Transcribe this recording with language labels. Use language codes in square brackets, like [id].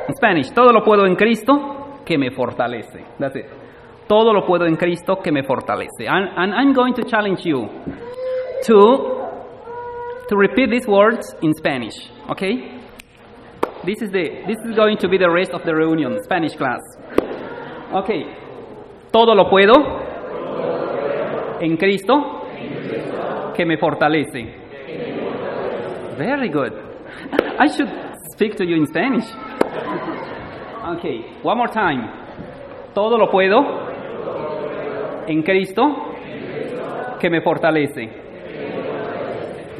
[en] In Spanish, [es] todo lo puedo en Cristo que me fortalece. [en] That's it. [es] Todo lo puedo en Cristo que me fortalece. [en] And I'm going to challenge you to repeat these words in Spanish, okay? This is going to be the rest of the reunion, Spanish class. Okay. [es] Todo lo puedo en Cristo que me fortalece. [en] Very good. I should speak to you in Spanish. Okay, one more time. [es] Todo lo puedo en Cristo que me fortalece.